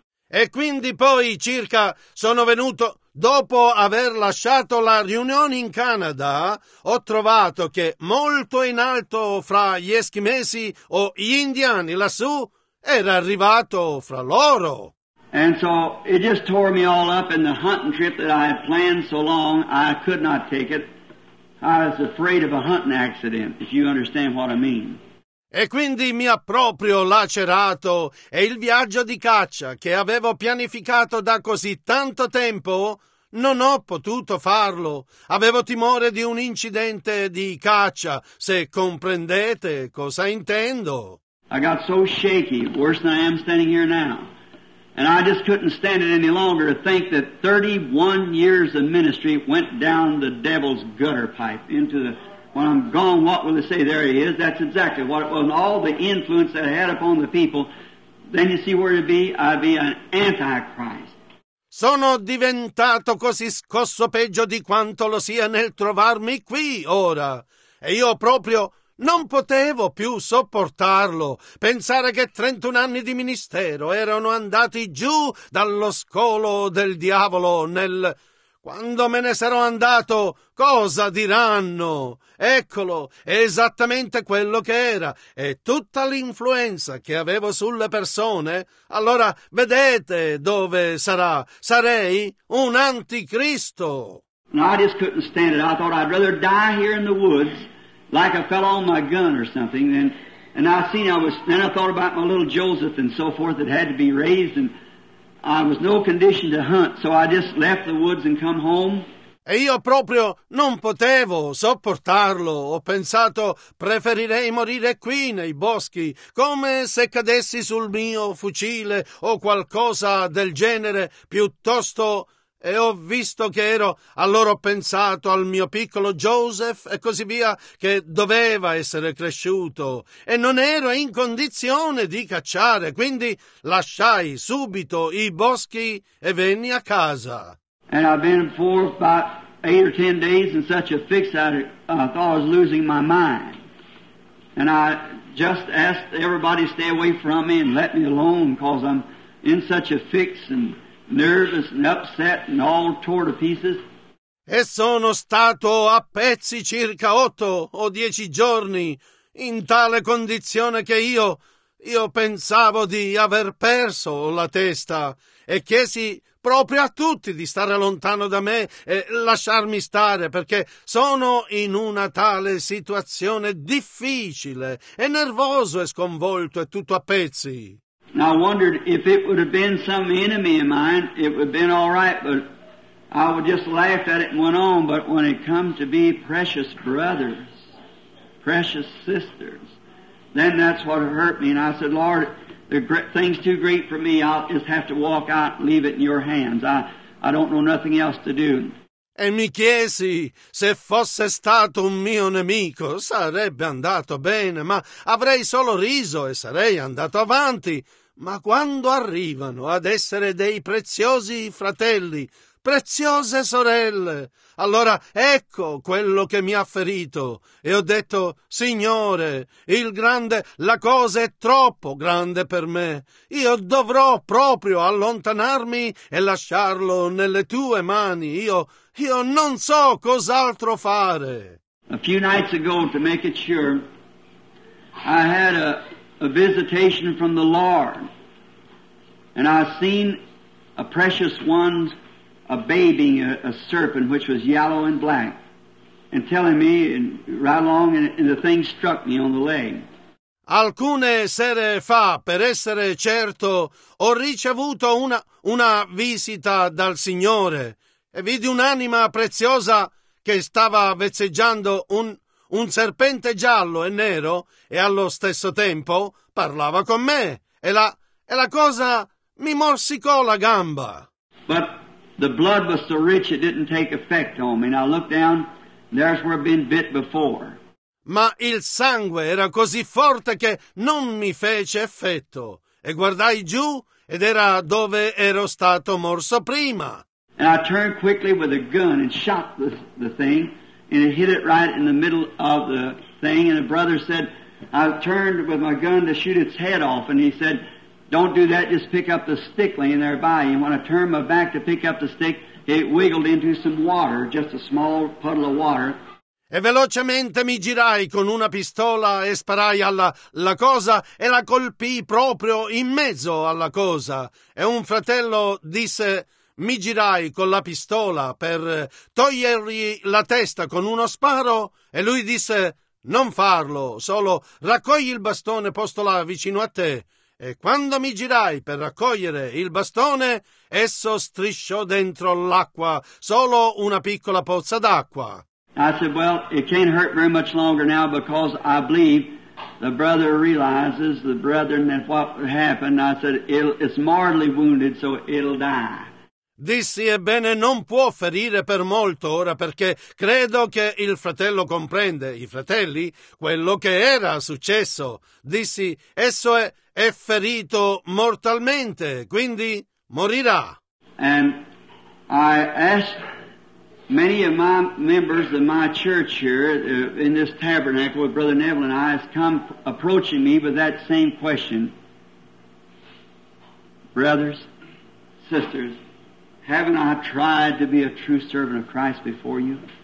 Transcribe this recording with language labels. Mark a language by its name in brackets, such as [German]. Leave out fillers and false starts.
[Italian] E quindi poi circa sono venuto dopo aver lasciato la riunione in Canada, ho trovato che molto in alto fra gli eschimesi o gli indiani lassù era arrivato fra loro. [English] And so it just tore me all up in the hunting trip that I had planned so long, I could not take it. I was afraid of a hunting accident, if you understand what I mean. [Italian] E quindi mi ha proprio lacerato e il viaggio di caccia che avevo pianificato da così tanto tempo non ho potuto farlo. Avevo timore di un incidente di caccia, se comprendete cosa intendo. [English] I got so shaky, worse than I am standing here now. And I just couldn't stand it any longer to think that 31 years of ministry went down the devil's gutter pipe into the... When I'm gone, what will they say? There he is. That's exactly what it was. And all the influence that I had upon the people, then you see where to be? I'd be an antichrist. [Italian] Sono diventato così scosso peggio di quanto lo sia nel trovarmi qui ora. E io proprio non potevo più sopportarlo. Pensare che 31 anni di ministero erano andati giù dallo scolo del diavolo nel... Quando me ne sarò andato, cosa diranno? Eccolo, è esattamente quello che era. E tutta l'influenza che avevo sulle persone, allora vedete dove sarà. Sarei un anticristo. [English] No, I just couldn't stand it. I thought I'd rather die here in the woods, like a fellow on my gun or something. Then I thought about my little Joseph and so forth that had to be raised and... I was no condition to hunt, so I just left the woods and come home. [Italian] E io proprio non potevo sopportarlo. Ho pensato, preferirei morire qui nei boschi, come se cadessi sul mio fucile o qualcosa del genere, piuttosto... E ho visto che ero... Allora ho pensato al mio piccolo Joseph e così via, che doveva essere cresciuto. E non ero in condizione di cacciare, quindi lasciai subito i boschi e venni a casa. [English] And I've been for about 8 or 10 days in such a fix I thought I was losing my mind. And I just asked everybody to stay away from me and let me alone, because I'm in such a fix and... Nervous and upset and all torn to pieces. [Italian] E sono stato a pezzi circa 8 o 10 giorni in tale condizione che io pensavo di aver perso la testa e chiesi proprio a tutti di stare lontano da me e lasciarmi stare perché sono in una tale situazione difficile e nervoso e sconvolto e tutto a pezzi. [English] Now I wondered if it would have been some enemy of mine, it would have been all right, but I would just laugh at it and went on. But when it comes to be precious brothers, precious sisters, then that's what hurt me. And I said, Lord, the thing's too great for me. I'll just have to walk out and leave it in your hands. I don't know nothing else to do. [Italian] E mi chiesi se fosse stato un mio nemico sarebbe andato bene, ma avrei solo riso e sarei andato avanti. Ma quando arrivano ad essere dei preziosi fratelli, preziose sorelle, allora ecco quello che mi ha ferito. E ho detto, Signore, la cosa è troppo grande per me. Io dovrò proprio allontanarmi e lasciarlo nelle tue mani. Io non so cos'altro fare. [English] A few nights ago, to make it sure, I had a visitation from the Lord. And I seen a precious one, a baby, a serpent, which was yellow and black, and telling me and right along, and the thing struck me on the leg. [Italian] Alcune sere fa, per essere certo, ho ricevuto una visita dal Signore. E vidi un'anima preziosa che stava vezzeggiando un serpente giallo e nero e allo stesso tempo parlava con me. E la cosa mi morsicò la gamba. [English] But the blood was so rich it didn't take effect on me. And I looked down, and there's where I've been bit before. [Italian] Ma il sangue era così forte che non mi fece effetto. E guardai giù ed era dove ero stato morso prima. [English] And I turned quickly with a gun and shot the thing, and it hit it right in the middle of the thing. And a brother said, I turned with my gun to shoot its head off. And he said, don't do that, just pick up the stick laying there by you. And when I turned my back to pick up the stick, it wiggled into some water, just a small puddle of water. [Italian] E velocemente mi girai con una pistola e sparai alla la cosa e la colpii proprio in mezzo alla cosa. E un fratello disse, mi girai con la pistola per togliergli la testa con uno sparo. E lui disse, non farlo, solo raccogli il bastone posto là vicino a te. E quando mi girai per raccogliere il bastone, esso strisciò dentro l'acqua, solo una piccola pozza d'acqua. [English] I said, well, it can't hurt very much longer now because I believe the brother realizes, the brethren, that what happened. I said, it's mortally wounded, so it'll die. [Italian] Dissi, ebbene, non può ferire per molto ora perché credo che il fratello comprende, i fratelli, quello che era successo. Dissi, esso è ferito mortalmente, quindi morirà. [English] And I asked many of my members of my church here in this tabernacle with Brother Neville and I has come approaching me with that same question. Brothers, sisters, haven't I tried to be a true servant of Christ before you?